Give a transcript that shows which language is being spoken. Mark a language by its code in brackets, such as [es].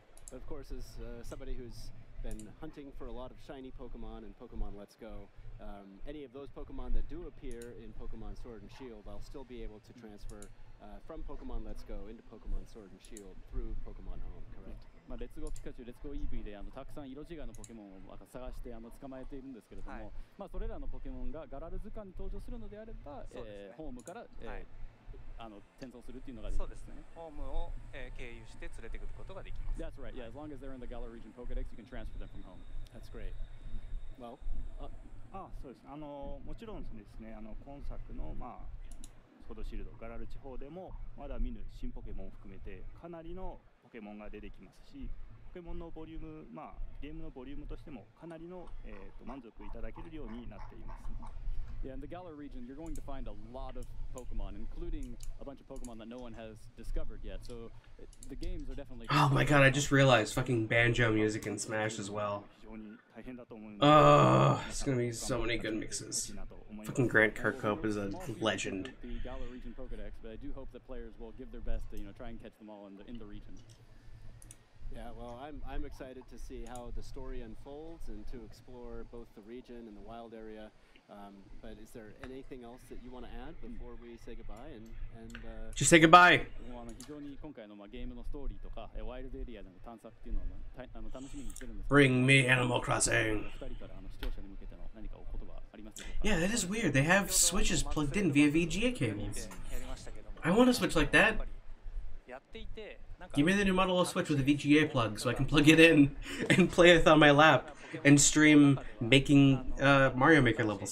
[en] But of course, as somebody who's been hunting for a lot of shiny Pokemon in Pokemon Let's Go, any of those Pokemon that do appear in Pokemon Sword and Shield, I'll still be able to transfer from Pokemon Let's Go into Pokemon Sword and Shield through Pokemon Home, correct? [ja] まあ、レッツゴーピカチュウ、レッツゴーイーブイで、たくさん色違いのポケモンを探して、捕まえているんですけれども、はい、まあ、それらのポケモンがガラル図鑑に登場するのであれば、ね、ホームから、はい、転送するっていうのがですね。そうですね。ホームを、経由して連れてくることができます。 [en] That's right. Yeah, as long as they're in the Galar region Pokédex, you can transfer them from home. That's great. Well, [ja] そうです。もちろんですね、今作の、まあ、ソードシールド、ガラル地方でも、まだ見ぬ新ポケモンを含めて、かなりのポケモンが出てきますし、ポケモンのボリューム、まあ、ゲームのボリュームとしてもかなりの、満足いただけるようになっています。 [en] Yeah, in the Galar region, you're going to find a lot of Pokemon, including a bunch of Pokemon that no one has discovered yet. So the games are definitely. Oh my god, I just realized fucking banjo music in Smash as well. It's gonna be so many good mixes. Fucking Grant Kirkhope is a legend. The Galar region Pokedex, but I do hope that players will give their best to, you know, try and catch them all in the region. Yeah, well, I'm excited to see how the story unfolds and to explore both the region and the wild area. But is there anything else that you want to add before we say goodbye and just say goodbye. [ja] 非常に今回のゲームのストーリーとかワイルドエリアでの探索っていうのを楽しみにしてるんですけど。 [en] Bring me Animal Crossing. [ja] 2人から視聴者に向けての何かお言葉ありますか。 [en] Yeah, that is weird. They have switches plugged in via VGA cables. I want a switch like that. Give me the new model of Switch with a VGA plug so I can plug it in and play it on my lap and stream making Mario Maker levels.